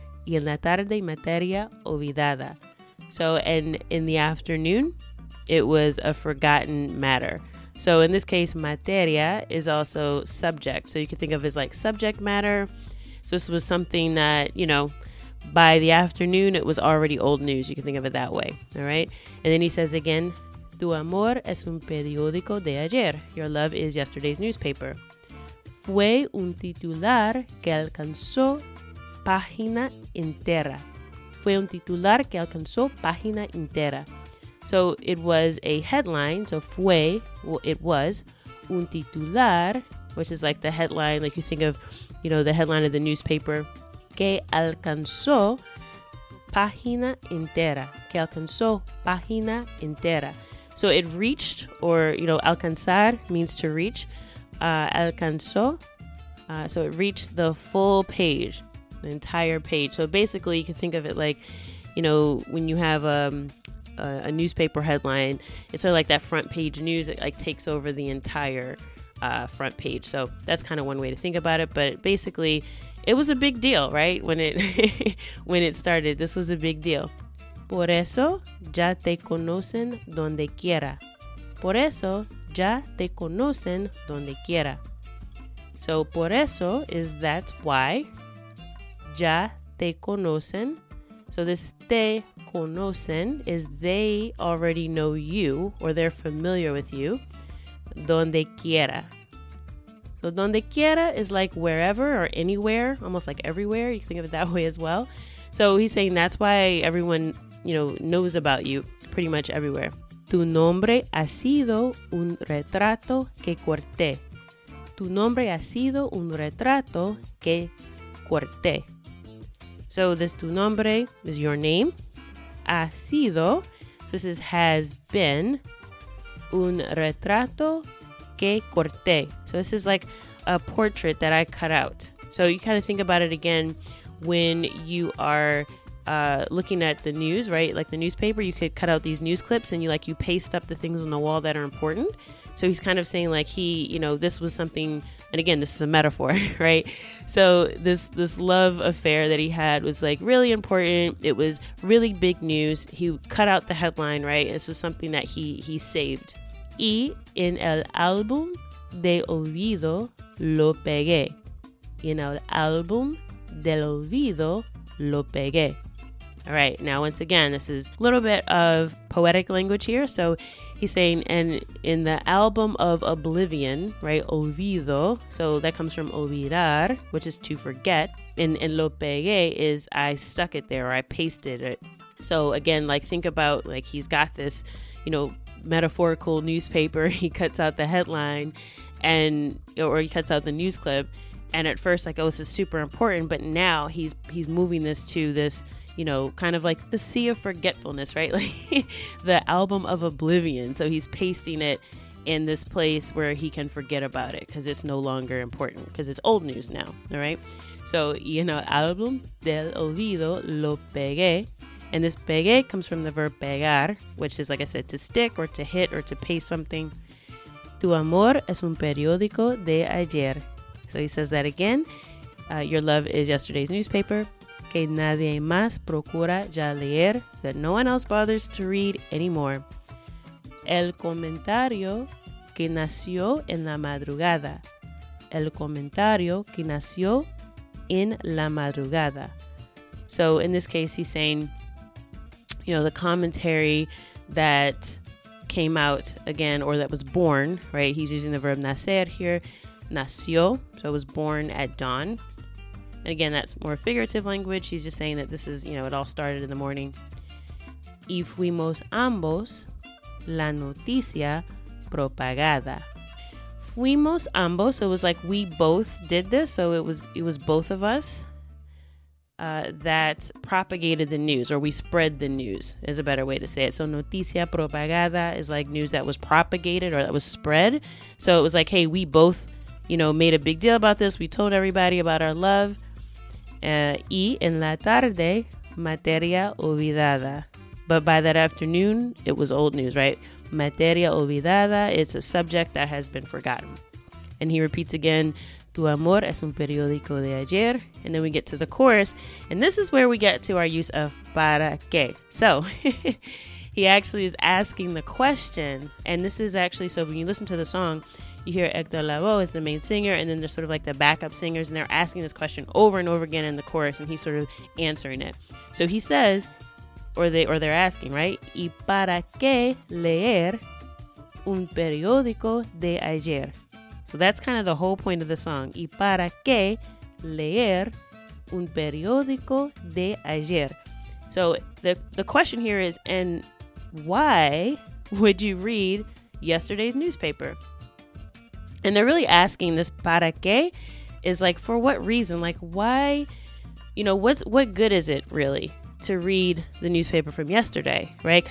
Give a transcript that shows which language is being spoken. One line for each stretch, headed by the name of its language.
Spanish: Y en la tarde, materia olvidada.
English: So, and in the afternoon, it was a forgotten matter. So in this case, materia is also subject. So you can think of it as like subject matter. So this was something that, you know, by the afternoon, it was already old news. You can think of it that way. All right. And then he says again,
Spanish: Tu amor es un periódico de ayer.
English: Your love is yesterday's newspaper.
Spanish: Fue un titular que alcanzó página entera. Fue un titular que alcanzó página entera.
English: So it was a headline. So fue, well, it was un titular, which is like the headline, like you think of, you know, the headline of the newspaper.
Spanish: Que alcanzó página entera. Que alcanzó página entera.
English: So it reached, or, you know, alcanzar means to reach. Alcanzó. So it reached the full page, the entire page. So basically, you can think of it like, you know, when you have a newspaper headline, it's sort of like that front page news. It like takes over the entire front page. So that's kind of one way to think about it. But basically, it was a big deal, right? When it when it started, this was a big deal.
Spanish: Por eso ya te conocen donde quiera. Por eso ya te conocen donde quiera.
English: So por eso is that's why. Ya te conocen. So this te conocen is they already know you or they're familiar with you. Donde quiera. So donde quiera is like wherever or anywhere, almost like everywhere. You can think of it that way as well. So he's saying that's why everyone, you know, knows about you pretty much everywhere.
Spanish: Tu nombre ha sido un retrato que corté. Tu nombre ha sido un retrato que corté.
English: So this tu nombre is your name. Ha sido, this is has been, un retrato que corté. So this is like a portrait that I cut out. So you kind of think about it again when you are looking at the news, right? Like the newspaper, you could cut out these news clips and you paste up the things on the wall that are important. So he's kind of saying like he, you know, this was something, and again, this is a metaphor, right? So this love affair that he had was like really important. It was really big news. He cut out the headline, right? This was something that he saved.
Spanish: Y en el álbum de olvido lo pegué. En el álbum del olvido lo pegué.
English: All right, now once again, this is a little bit of poetic language here. So he's saying, and in the album of oblivion, right, olvido, so that comes from olvidar, which is to forget, and lo pegué is I stuck it there, or I pasted it. So again, like think about like he's got this, you know, metaphorical newspaper, he cuts out the headline and, or he cuts out the news clip, and at first like, oh, this is super important, but now he's moving this to this, you know, kind of like the sea of forgetfulness, right? Like the album of oblivion. So he's pasting it in this place where he can forget about it because it's no longer important because it's old news now, all right? So, you know, album del olvido lo pegué. And this pegué comes from the verb pegar, which is, like I said, to stick or to hit or to paste something.
Spanish: Tu amor es un periódico de ayer.
English: So he says that again. Your love is yesterday's newspaper. Que nadie más procura ya leer, that no one else bothers to read anymore.
Spanish: El comentario que nació en la madrugada. El comentario que nació en la madrugada.
English: So in this case, he's saying, you know, the commentary that came out again, or that was born, right? He's using the verb nacer here. Nació, so it was born at dawn. And again, that's more figurative language. He's just saying that this is, you know, it all started in the morning.
Spanish: Y fuimos ambos la noticia propagada.
English: Fuimos ambos. So it was like we both did this. So it was both of us that propagated the news, or we spread the news is a better way to say it. So noticia propagada is like news that was propagated or that was spread. So it was like, hey, we both, you know, made a big deal about this. We told everybody about our love.
Spanish: Y en la tarde, materia olvidada.
English: But by that afternoon, it was old news, right? Materia olvidada, it's a subject that has been forgotten. And he repeats again, tu amor es un periódico de ayer. And then we get to the chorus. And this is where we get to our use of para qué. So he actually is asking the question. And this is actually, so when you listen to the song, you hear Héctor Lavoe is the main singer, and then there's sort of like the backup singers, and they're asking this question over and over again in the chorus, and he's sort of answering it. So he says, or they're asking, right?
Spanish: ¿Y para qué leer un periódico de ayer?
English: So that's kind of the whole point of the song.
Spanish: ¿Y para qué leer un periódico de ayer?
English: So the question here is, and why would you read yesterday's newspaper? And they're really asking this, ¿para qué? Is like, for what reason? Like, why, you know, what good is it really to read the newspaper from yesterday, right?